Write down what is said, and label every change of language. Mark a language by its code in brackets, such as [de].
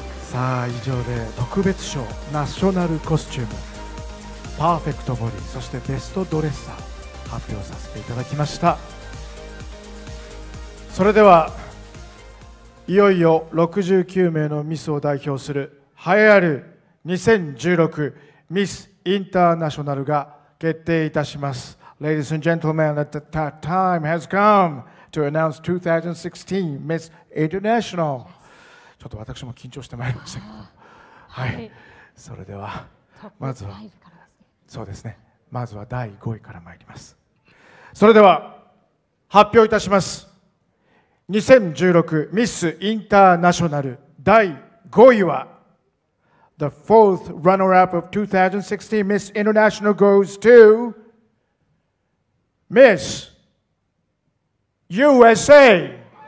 [ja] さあ、以上で特別賞、ナショナルコスチューム、パーフェクトボディ、そしてベストドレッサー、発表させていただきました。それでは、いよいよ69名のミスを代表する、栄えある2016ミスインターナショナルが、決定いたします。 [en] Ladies and gentlemen, that time has come to announce 2016 Miss International. [ja] ちょっと私も緊張してまいりました。はい、それではまずは、そうですね、まずは第5位からまいります。それでは発表いたします。 [en] 2016 Miss International [ja] 第5位は [en] The fourth runner-up of 2016 Miss International goes to Miss USA.